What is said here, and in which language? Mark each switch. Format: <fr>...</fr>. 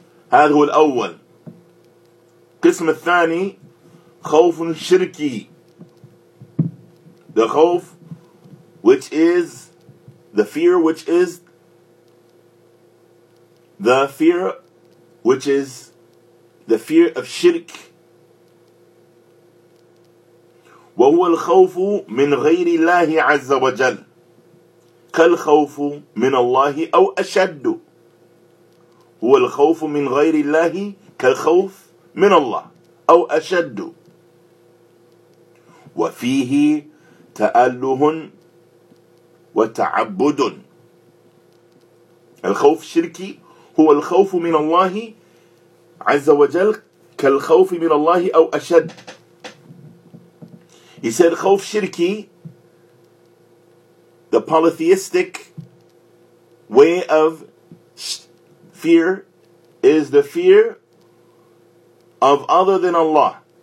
<ar>هذا هو الأول. قسم الثاني خوف شركي.</ar> <en>The khawf, which is the fear, which is the fear, which is the fear of shirk.</en> <ar>وهو الخوف من غير الله عز وجل كالخوف من الله أو أشد. هو الخوف من غير الله كالخوف من الله أو أشد. وفيه تأله وتعبد. الخوف الشركي هو الخوف من الله عز وجل كالخوف من الله أو أشد.</ar> <en>He said</en> <ar>خوف شركي,</ar> <en>the polytheistic way of fear, is the fear of other than Allah.</en>